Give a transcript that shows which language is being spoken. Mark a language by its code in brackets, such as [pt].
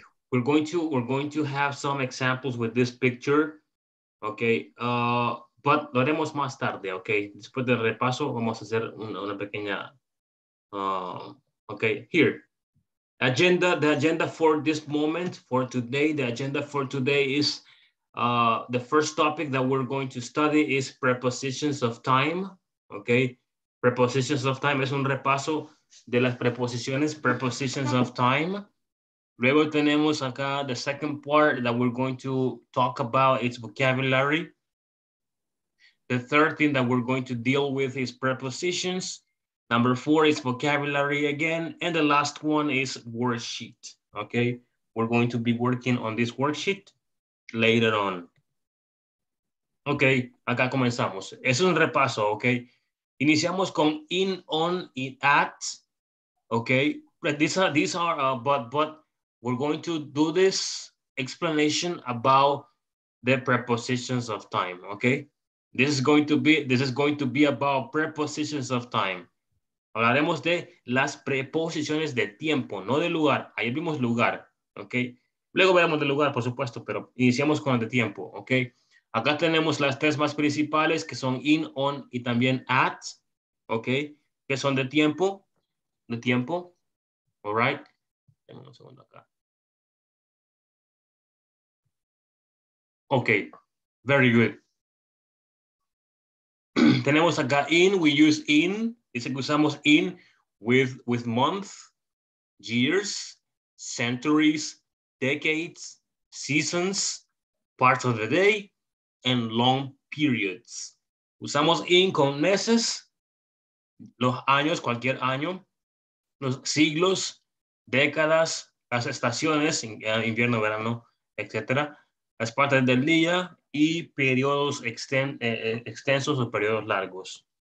[en] We're going to have some examples with this picture. [es] Okay. But lo haremos más tarde, okay? Después del repaso vamos a hacer una pequeña [en] okay, here. The agenda for this moment, for today, the agenda for today is the first topic that we're going to study is prepositions of time, okay? Prepositions of time [es] es un repaso de las preposiciones, [en] prepositions of time. [es] Luego tenemos acá [en] the second part that we're going to talk about is vocabulary. The third thing that we're going to deal with is prepositions. Number four is vocabulary again. And the last one is worksheet, okay? We're going to be working on this worksheet later on. [es] Okay, acá comenzamos. Es un repaso, okay? Iniciamos con in, on, it, at, okay? [en] But we're going to do this explanation about the prepositions of time, okay? This is going to be about prepositions of time. [es] Hablaremos de las preposiciones de tiempo, no de lugar. Ahí vimos lugar, ¿ok? Luego veremos de lugar, por supuesto, pero iniciamos con el de tiempo, ¿ok? Acá tenemos las tres más principales, que son in, on y también at, ¿ok? Que son de tiempo, [en] all right? [es] Déjame un segundo acá. [en] Okay, very good. [es] Tenemos acá [en] in, we use in, [es] dice que usamos [en] in with months, years, centuries, decades, seasons, parts of the day, and long periods. [es] Usamos in con meses, los años, cualquier año, los siglos, décadas, las estaciones, invierno, verano, etc. Las partes del día y periodos extensos o periodos largos.